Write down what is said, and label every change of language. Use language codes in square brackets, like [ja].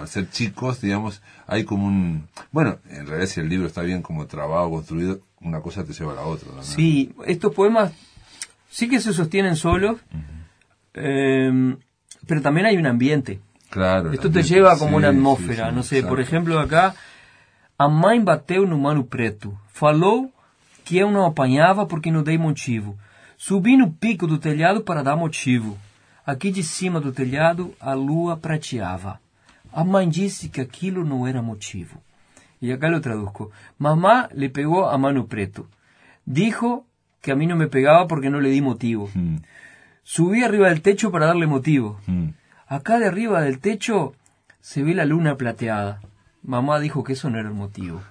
[es] Al ser chicos, digamos, hay como un... Bueno, en realidad si el libro está bien como trabado, construido, una cosa te lleva a la otra, ¿no? Sí, estos poemas sí que se sostienen solos, pero también hay un ambiente. Claro. Esto te lleva como una atmósfera, no sé, por ejemplo acá... [pt] A mãe bateu no mano preto. Falou que eu não apanhava porque não dei motivo. Subi no pico do telhado para dar motivo. Aqui de cima do telhado, a lua prateava. A mãe disse que aquilo não era motivo. [es] y acá lo traduzco. Mamá le pegó a Manu Preto. Dijo que a mí no me pegaba porque no le di motivo. Subí arriba del techo para darle motivo. Acá de arriba del techo se ve la luna plateada. Mamá dijo que eso no era el motivo.